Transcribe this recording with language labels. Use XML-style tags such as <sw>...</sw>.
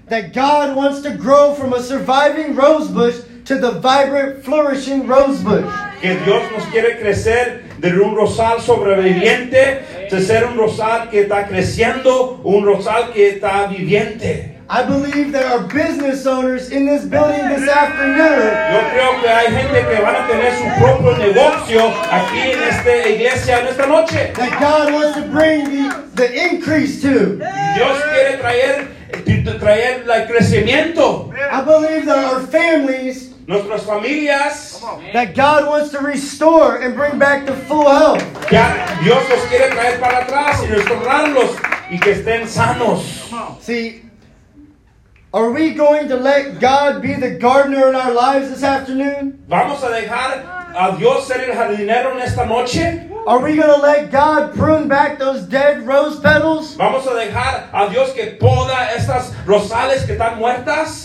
<en>That God wants to grow from a surviving rosebush to the vibrant, flourishing rosebush.</en> <es>Que Dios nos quiere crecer de un rosal sobreviviente de ser un rosal que está creciendo, un rosal que está viviente.</es> <en>I believe there are business owners in this building this afternoon.</en> <es>Yo creo que hay gente que van a tener su propio negocio aquí en esta iglesia en esta noche.</es> <en>That God wants to bring the increase to.</en> <es>Dios quiere traer el crecimiento.</es> <en>I believe there are families.</en> <es>Nuestras familias.</es> <en>That God wants to restore and bring back to full health.</en> <es>Ya Dios los quiere traer para atrás y restaurarlos y que estén sanos.</es> <en>See. Are we going to let God be the gardener in our lives this afternoon?</en> <es>¿Vamos a dejar a Dios ser el jardinero en esta noche?</es> <en>Are we going to let God prune back those dead rose petals?</en> <es>¿Vamos a dejar a Dios que poda estas rosales que están muertas?</es>